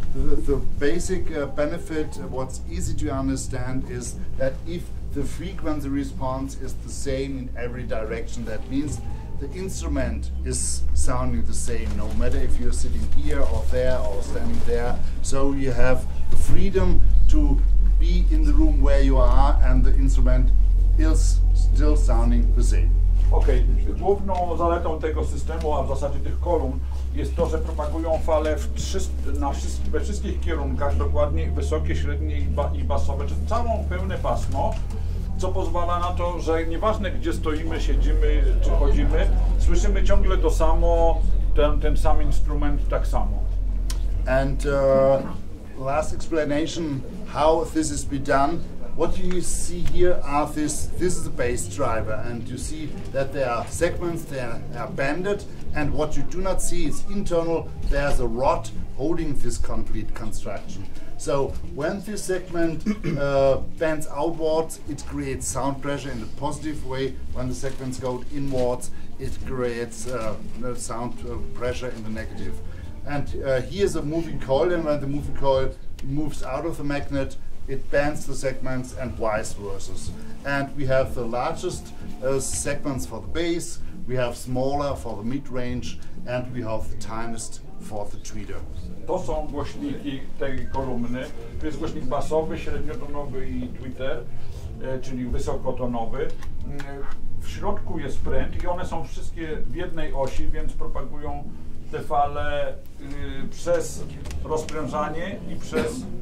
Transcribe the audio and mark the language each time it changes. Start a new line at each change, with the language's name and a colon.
English: The basic benefit, what's easy to understand, is that if the frequency response is the same in every direction, that means the instrument is sounding the same, no matter if you're sitting here or there or standing there. So you have the freedom to be in the room where you are and the instrument is still sounding the same.
Polish: Okay, główną zaletą tego systemu, a w zasadzie tych kolumn, jest to, że propagują fale we wszystkich kierunkach, dokładnie wysokie, średnie i basowe, czyli całą pełne pasmo. Co pozwala na to, że nieważne gdzie stoimy, siedzimy czy chodzimy, słyszymy ciągle to samo, ten sam instrument tak samo.
English: And last explanation how this is be done. What you see here are this is the bass driver, and you see that there are segments, there are banded, and what you do not see is internal, there's a rod holding this complete construction. So when this segment bends outwards, it creates sound pressure in a positive way. When the segments go inwards, it creates sound pressure in the negative. And here's a moving coil, and when the moving coil moves out of the magnet, it bends the segments and vice versa. And we have the largest segments for the bass, we have smaller for the mid-range, and we have the tiniest for the tweeter.
Polish: To są głośniki tej kolumny. To jest głośnik basowy, średniotonowy i tweeter, czyli wysokotonowy. W środku jest pręt i one są wszystkie w jednej osi, więc propagują te fale przez rozprężanie i przez...